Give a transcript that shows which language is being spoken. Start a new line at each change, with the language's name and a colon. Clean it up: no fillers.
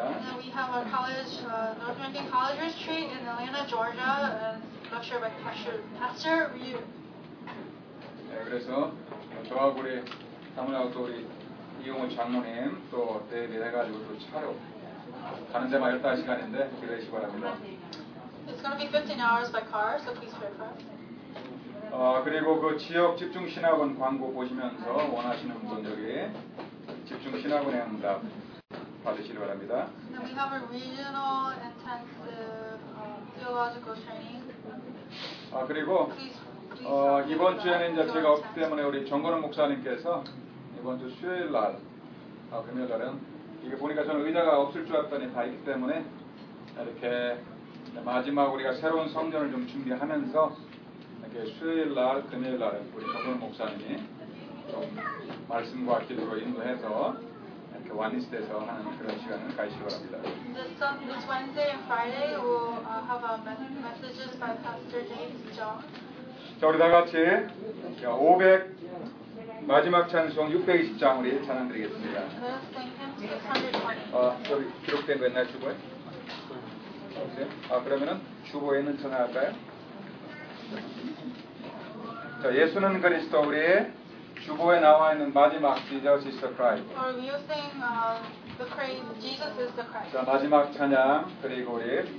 English: And we have our college, North American College Retreat in Atlanta, Georgia, and lecture by Pastor Ryu.
Korean: 네, 그래서 저하고 우리 사모님하고 또 우리 이용호 장모님 또 대비해가지고 또 차로 가는 데만 14시간인데 기다리시기 바랍니다.
English: It's going to be 15 hours by car, so please pray for us.
Korean: 그리고 그 지역 집중 신학원 광고 보시면서 원하시는 분들에게 집중 신학원의 응답 받으시기 바랍니다.
English: Then we have a regional intensive theological training.
Korean: 그리고
English: please
Korean: 이번 주에는 이제 제가 없기 때문에 우리 정건우 목사님께서 이번 주 수요일 날, 금요일은 이게 보니까 저는 의자가 없을 줄 알았더니 다 있기 때문에 이렇게. 마지막 우리가 새로운 성전을 좀 준비하면서 이렇게 수요일 날, 금요일 날 우리 정원 목사님이 좀 말씀과 기도로 인도해서 이렇게 원리스에서 하는 그런 시간을 가지시기 바랍니다.
English: This Wednesday and Friday we'll have a messages by Pastor James John.
Korean: 자, 우리 다 같이 500 마지막 찬송 620장 우리 찬양드리겠습니다.
English: Let's sing hymn 620.
Korean: 저기 기록된 거 옛날 주보에? 아, 그러면은 주보에 있는 찬양할까요? 자, 예수는 그리스도 우리의 주보에 나와 있는 마지막
English: Jesus is the Christ. Or we sing the praise Jesus is the Christ.
Korean: 자, 마지막 찬양 그리고 우리